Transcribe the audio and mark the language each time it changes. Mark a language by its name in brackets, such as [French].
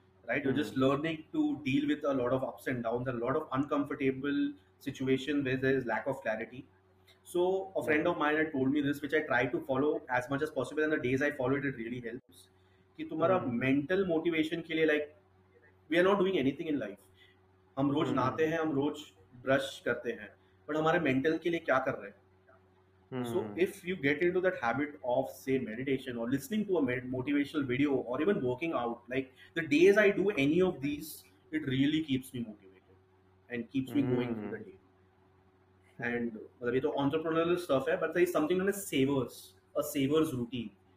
[English] Right, you're just learning to deal with a lot of ups and downs, a lot of uncomfortable situation where there is lack of clarity. So a friend of mine had told me this, which I try to follow as much as possible, and the days I follow it, it really helps, [Hindi] ki tumhara mental motivation ke liye, [English] like we are not doing anything in life. [Hindi] हम रोज नहाते हैं, हम रोज brush करते हैं, but हमारे mental के लिए क्या कर रहे हैं? [English] So if you get into that habit of say meditation or listening to a motivational video or even working out, like the days I do any of these, it really keeps me motivated and keeps me going through the day. And [Hindi] मतलब ये तो [English] entrepreneurial stuff [Hindi] है, [English] but there is something known as savers, a savers routine.